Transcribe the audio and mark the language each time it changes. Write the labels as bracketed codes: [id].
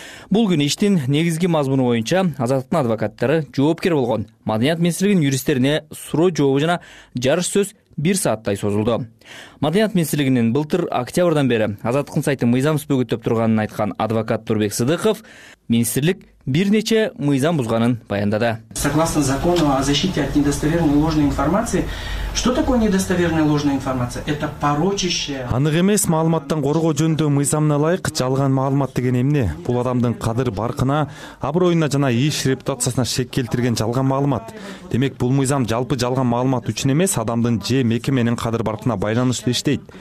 [ky] Бул күнү иштин негизги мазмуну боюнча Азаттыктын адвокаттары жоопкер болгон Маданият министрлигинин юристтерине суроо жообу жана жарыш сөз 1 сааттай созулду. Маданият министрлигинин былтыр октябрдан бери Азаттыктын сайты мыйзамсыз бөгөттөп турганын айткан адвокат Турбек Сыдыков министрлик бир нече мыйзам бузганын баяндады. [ru] Согласно закону о защите от недостоверной ложной информации, что такое недостоверная ложная информация? Это порочащая. [ky] Анык эмес маалыматтан коргоо жөнүндө мыйзамына ылайык жалган маалымат деген эмне? Бул адамдын кадыр баркына, абройуна жана иш репутациясына шек келтирген жалган маалымат. Демек бул мыйзам жалпы жалган маалымат үчүн эмес, адамдын же мекеменин кадыр баркына байланыштуу иштейт.